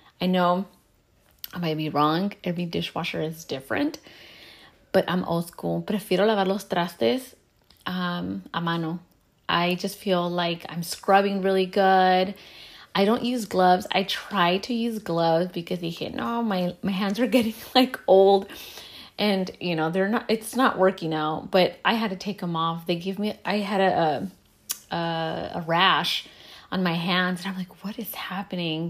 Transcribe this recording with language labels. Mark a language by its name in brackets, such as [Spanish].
[English] I know I might be wrong. Every dishwasher is different, but I'm old school. [Spanish] Prefiero lavar los trastes a mano. [English] I just feel like I'm scrubbing really good. I don't use gloves. I try to use gloves because my hands are getting like old and you know, it's not working out, but I had to take them off. I had a rash on my hands and I'm like, what is happening?